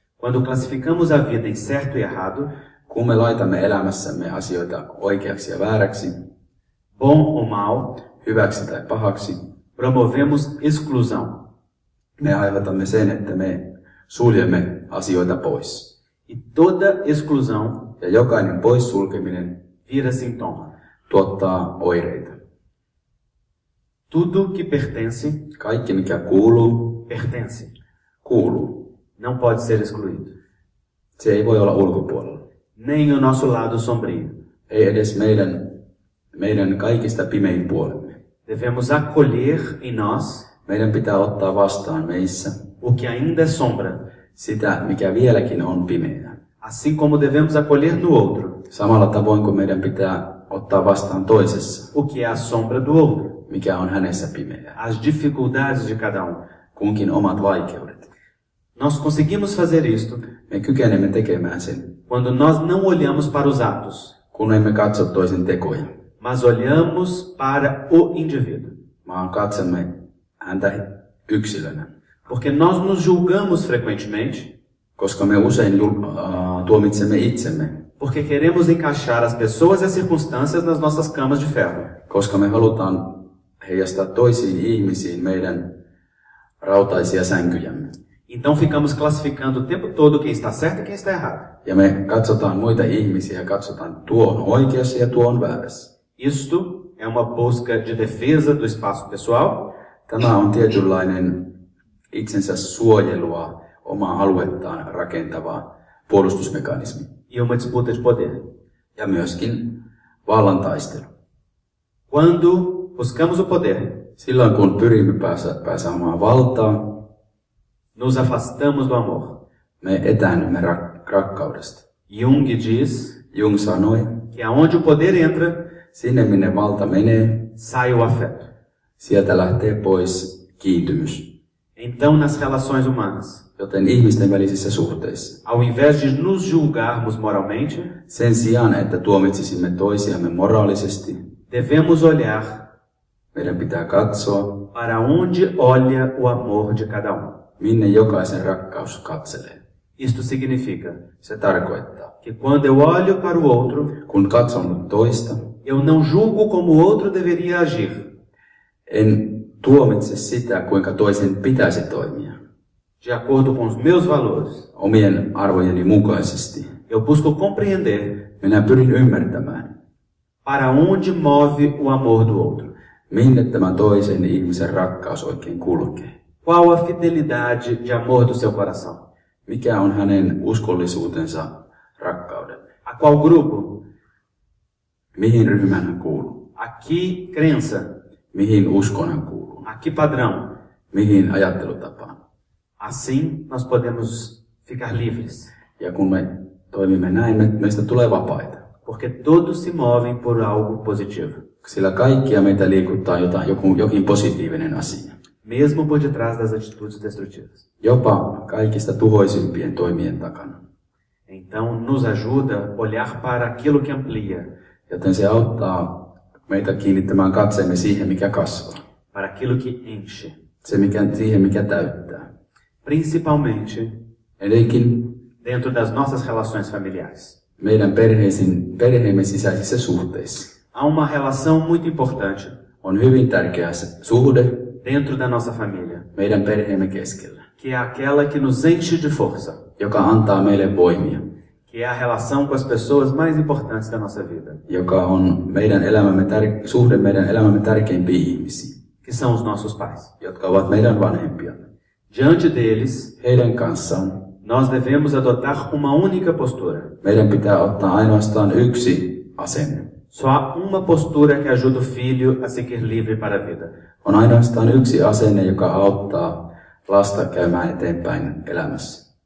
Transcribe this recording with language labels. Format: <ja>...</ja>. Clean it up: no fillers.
<pt>Quando classificamos a vida em certo e errado,</pt> <fi>Kun me laitamme elämässämme asioita oikeaksi ja vääräksi,</fi> <pt>bom ou mal,</pt> <fi>hyväksi tai pahaksi,</fi> <pt>promovemos exclusão.</pt> <fi>Me aiheutamme sen, että me suljemme asioita pois.</fi> <pt>E toda exclusão,</pt> <fi>ja jokainen poissulkeminen,</fi> <pt>vira sintoma,</pt> <fi>tuottaa oireita.</fi> <pt>Tudo que pertence,</pt> <fi>kaikki mikä kuuluu,</fi> <pt>pertence,</pt> <fi>kuuluu.</fi> <pt>Não pode ser excluído.</pt> <fi>Se ei voi olla ulkopuolella.</fi> <pt>Nem o nosso lado sombrio.</pt> <fi>Ei edes meidän kaikista pimein puolemme.</fi> <pt>Devemos acolher em nós.</pt> <fi>Meidän pitää ottaa vastaan meissä.</fi> <pt>O que ainda é sombra.</pt> <fi>Sitä, mikä vieläkin on pimeää.</fi> <pt>Assim como devemos acolher no outro.</pt> <fi>Samalla tavoin kuin meidän pitää ottaa vastaan toisessa.</fi> <pt>O que é a sombra do outro.</pt> <fi>Mikä on hänessä pimeää.</fi> <pt>As dificuldades de cada um.</pt> <fi>Kunkin omat vaikeudet.</fi> <pt>Nós conseguimos fazer isto.</pt> <fi>Me kykenemme tekemään sen.</fi> <pt>Quando nós não olhamos para os atos.</pt> <fi>Kun emme katso toisen tekoja.</fi> <pt>Mas olhamos para o indivíduo.</pt> <fi>Vaan katsomme häntä yksilönä.</fi> <pt>Porque nós nos julgamos frequentemente.</pt> <fi>Koska me usein tuomitsemme itsemme.</fi> <pt>Porque queremos encaixar as pessoas e as circunstâncias nas nossas camas de ferro.</pt> <fi>Koska me halutaan heijastaa toisiin ihmisiin meidän rautaisia sänkyjämme.</fi> <pt>Então ficamos classificando o tempo todo quem está certo e quem está errado.</pt> <fi>Ja me katsotaan muita ihmisiä ja katsotaan tuo on oikeassa ja tuo on väärässä.</fi> <pt>Isto é uma busca de defesa do espaço pessoal.</pt> <fi>Tämä on tietynlainen itsensä suojelua, omaa aluettaan rakentava puolustusmekanismi.</fi> <pt>E uma disputa de poder.</pt> <fi>Ja myöskin vallan taistelu.</fi> <pt>Quando buscamos o poder.</pt> <fi>Silloin kun pyrimme pääsemään valtaan.</fi> <pt>Nos afastamos do amor.</pt> <fi>Me etäännymme rakkaudesta.</fi> <pt>Jung diz.</pt> <fi>Jung sanoi.</fi> <pt>Que aonde o poder entra.</pt> <fi>Sinne minne valta menee.</fi> <pt>Sai o afeto.</pt> <fi>Sieltä lähtee pois kiintymys.</fi> <pt>Então nas relações humanas.</pt> <fi>Joten ihmisten välisissä suhteissa.</fi> <pt>Ao invés de nos julgarmos moralmente.</pt> <fi>Sen sijaan, että tuomitsisimme toisiamme moraalisesti.</fi> <pt>Devemos olhar.</pt> <fi>Meidän pitää katsoa.</fi> <pt>Para onde olha o amor de cada um.</pt> <fi>Minne jokaisen rakkaus katselee.</fi> <pt>Isto significa.</pt> <fi>Se tarkoittaa.</fi> <pt>Que quando eu olho para o outro.</pt> <fi>Kun katson toista.</fi> <pt>Eu não julgo como o outro deveria agir.</pt> <fi>En tuomitse sitä, kuinka toisen pitäisi toimia.</fi> <pt>De acordo com os meus valores.</pt> <fi>Omien arvojeni mukaisesti.</fi> <pt>Eu busco compreender.</pt> <fi>Minä pyrin ymmärtämään.</fi> <pt>Para onde move o amor do outro.</pt> <fi>Minne tämä toisen ihmisen rakkaus oikein kulkee.</fi> <pt>Qual a fidelidade de amor do seu coração?</pt> <fi>Mikä on hänen uskollisuutensa rakkaudelle?</fi> <pt>A qual grupo?</pt> <fi>Mihin ryhmään hän kuuluu?</fi> <pt>A que crença?</pt> <fi>Mihin uskoon hän kuuluu?</fi> <pt>A que padrão?</pt> <fi>Mihin ajattelutapaan?</fi> <pt>Assim nós podemos ficar livres.</pt> <fi>Ja kun me toimimme näin, meistä tulee vapaita.</fi> <pt>Porque todos se movem por algo positivo.</pt> <fi>Sillä kaikkia meitä liikuttaa jokin positiivinen asia.</fi> <pt>Mesmo por detrás das atitudes destrutivas.</pt> <fi>Jopa kaikista tuhoisimpien toimien takana.</fi> <pt>Então nos ajuda a olhar para aquilo que amplia.</pt> <fi>Joten se auttaa meitä kiinnittämään katseemme siihen, mikä kasvaa.</fi> <pt>Para aquilo que enche.</pt> <fi>Se, mikä, siihen, mikä täyttää.</fi> <pt>Principalmente.</pt> <fi>Eleikin.</fi> <pt>Dentro das nossas relações familiares.</pt> <fi>Meidän perheemme sisäisissä suhteissa.</fi> <pt>Há uma relação muito importante.</pt> <fi>On hyvin tärkeä suhde.</fi> <pt>Dentro da nossa família.</pt> <fi>Meidän perheemme keskellä.</fi> <pt>Que é aquela que nos enche de força.</pt> <fi>Joka antaa meille voimia.</fi> <pt>Que é a relação com as pessoas mais importantes da nossa vida.</pt> <fi>Joka on meidän elämämme suhde meidän elämämme tärkeimpiin ihmisiin.</fi> <pt>Que são os nossos pais.</pt> <fi>Jotka ovat meidän vanhempia.</fi> <pt>Diante deles.</pt> <fi>Heidän kanssaan.</fi> <pt>Nós devemos adotar uma única postura.</pt> <fi>Meidän pitää ottaa ainoastaan yksi asenne.</fi> <pt>Só há uma postura que ajuda o filho a seguir livre para a vida.</pt> <fi>On ainoastaan yksi asenne, joka auttaa lasta käymään eteenpäin elämässä.</fi>